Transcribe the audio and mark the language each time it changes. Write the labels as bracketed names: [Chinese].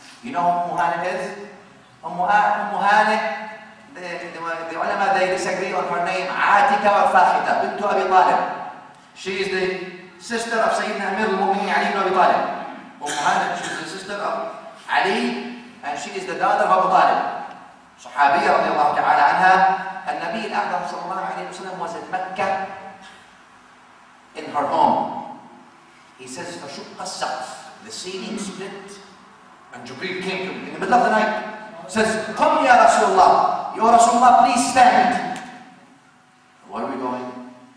[English] You know who Umm Hanik is? Umm Hanik, the ulama, they disagree on her name, Atika wa Fakhita, Bintu Abi Talib. She is the sister of Sayyidina Amir al-Mu'minin Ali ibn Abi Talib. Umm Hanik, she is the sister of Ali, and she is the daughter of Abu Talib. Sahabiya [Arabic] رضي الله تعالى عنها. النبي الأعظم صلى الله عليه وسلم [English] was in Mecca. In her home, he says, [Arabic] فشق السقف, [English] the ceiling split, and Jibreel came to me in the middle of the night. [Arabic] Says, قم يا رسول الله, يا رسول الله, [English] please stand. Where are we going?